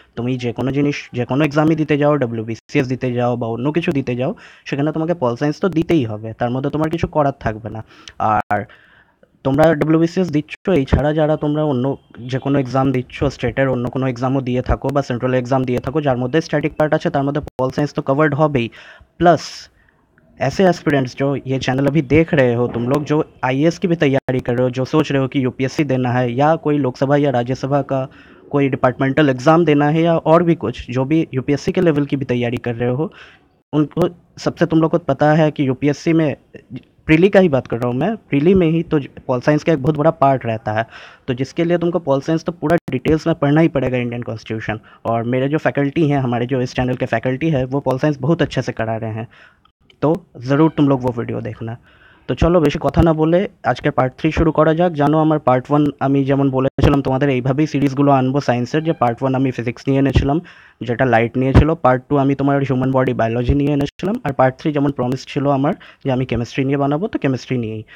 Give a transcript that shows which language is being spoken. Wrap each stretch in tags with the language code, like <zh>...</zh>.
<bn>তুমি যে কোনো জিনিস, যে কোনো এক্সামই দিতে যাও, WBCS দিতে যাও বা অন্য কিছু দিতে যাও, সেখানে তোমাকে পল সায়েন্স তো দিতেই হবে, তার মধ্যে তোমার কিছু করার থাকবে না। আর তোমরা WBCS দিচ্ছ, এছাড়া যারা তোমরা অন্য যে কোনো এক্সাম দিচ্ছ, স্টেটের অন্য কোনো এক্সামও দিয়ে থাকো বা সেন্ট্রাল এক্সাম দিয়ে থাকো যার মধ্যে স্ট্যাটিক পার্ট আছে, তার মধ্যে পল সায়েন্স তো কভার্ড হবেই।</bn> <hi>প্লাস ऐसे एस्पिरेंट्स जो ये चैनल अभी देख रहे हो, तुम लोग जो IAS की भी तैयारी कर रहे हो, जो सोच रहे हो कि UPSC देना है, या कोई लोकसभा या राज्यसभा का कोई डिपार्टमेंटल एग्ज़ाम देना है, या और भी कुछ, जो भी UPSC के लेवल की भी तैयारी कर रहे हो, उनको सबसे तुम लोग को पता है कि UPSC में प्रीली का ही बात कर रहा हूँ मैं, प्रीली में ही तो पॉल साइंस का एक बहुत बड़ा पार्ट रहता है, तो जिसके लिए तुमको पॉल साइंस तो पूरा डिटेल्स में पढ़ना ही पड़ेगा इंडियन कॉन्स्टिट्यूशन। और मेरे जो फैकल्टी हैं, हमारे जो इस चैनल के फैकल्टी है, वो पॉल साइंस बहुत अच्छे से करा रहे हैं, তো জরুর তুম লোক ও ভিডিও দেখনা।</hi> <bn>তো চলো বেশি কথা না বলে আজকে পার্ট থ্রি শুরু করা যাক। জানো আমার পার্ট ওয়ান আমি যেমন বলেছিলাম তোমাদের, এইভাবেই সিরিজগুলো আনবো সায়েন্সের, যে পার্ট ওয়ান আমি ফিজিক্স নিয়ে এনেছিলাম যেটা লাইট নিয়েছিল, পার্ট টু আমি তোমার হিউম্যান বডি বায়োলজি নিয়ে এনেছিলাম, আর পার্ট থ্রি যেমন প্রমিস ছিল আমার যে আমি কেমিস্ট্রি নিয়ে বানাবো, তো কেমিস্ট্রি নিয়েই।</bn>